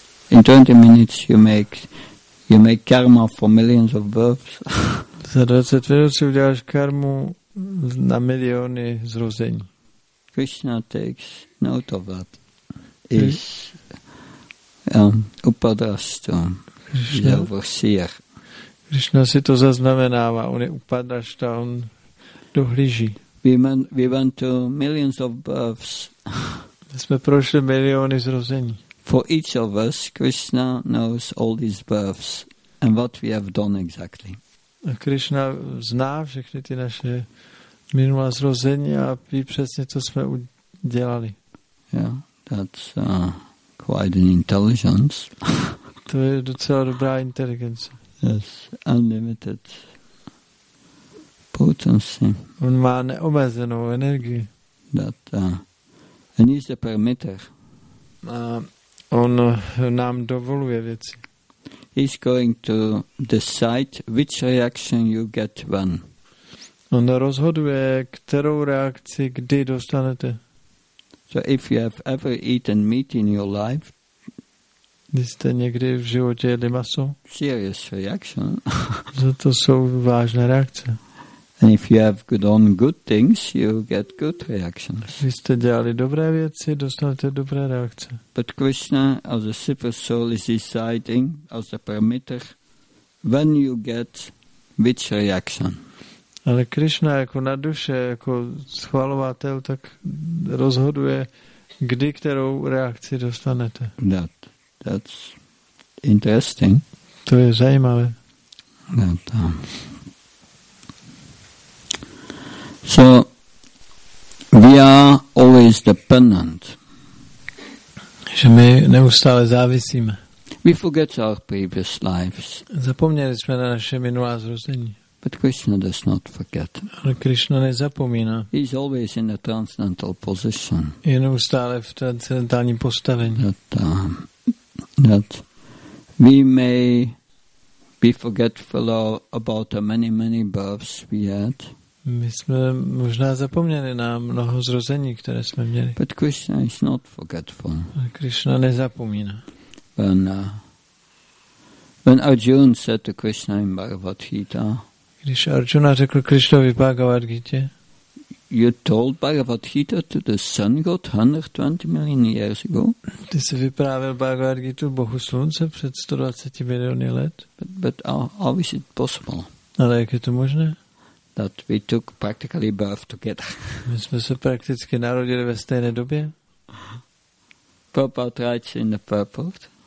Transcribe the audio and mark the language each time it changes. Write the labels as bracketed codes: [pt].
[en] In 20 minutes you make karma for millions of births. [cs] Za 20 minut si uděláš karmu na miliony zrození. [en] Krishna takes note of that. Krishna [cs] si to zaznamenává, on je upadrašta, on dohlíží. [en] We went to millions of births. [cs] Jsme prošli miliony zrození. [en] For each of us, Krishna knows all these births and what we have done exactly. [cs] A Krishna zná všechny ty naše minulá zrození a ví přesně, co jsme udělali. [en] Yeah, that's quite an intelligence. [cs] To je docela dobrá inteligence. [en] Yes, unlimited potency. [cs] On má neomezenou energii. [en] That, and he's the permitter. [cs] On nám dovoluje věci. [en] He's going to decide which reaction you get when. [cs] On rozhoduje, kterou reakci kdy dostanete. [en] So if you have ever eaten meat in your life, [cs] když jste někdy v životě jedli maso, [en] serious reaction. [cs] To jsou vážné reakce. [en] And if you have done good things, you get good reactions. [cs] Když jste dělali dobré věci, dostanete dobré reakce. [en] But Krishna, as a super soul, is deciding, as a permitter, when you get which reaction. [cs] Ale Krishna jako na duše, jako schvalovatel, tak rozhoduje, kdy kterou reakci dostanete. [en] That's interesting. [cs] To je zajímavé. [en] So we are always dependent. [cs] Že my neustále závisíme. [en] We forget our previous lives. [cs] Zapomněli jsme na naše minulá zrození. [en] But Krishna does not forget. [cs] Ale Krishna nezapomíná. [en] He's always in a transcendental position. [cs] Je neustále v transcendentálním postavení. [en] That we may be forgetful about the many, many births we had. [cs] My jsme možná zapomněli na mnoho zrození, které jsme měli. [en] But Krishna is not forgetful. [cs] Krishna nezapomíná. [en] When Arjuna said to Krishna in Bhagavad Gita, [cs] když Arjuna řekl Krishnovi Bhagavad Gita, [en] you told Bhagavad Gita to the sun god 120 million years ago. [cs] Ty jsi vyprávěl Bhagavad Gita Bohu slunce před 120 miliony let. [en] But how is it possible? [cs] Ale jak je to možné? [en] That we took practically birth together. [cs] My jsme se prakticky narodili ve stejné době. [en] Prabhupada writes in the purport.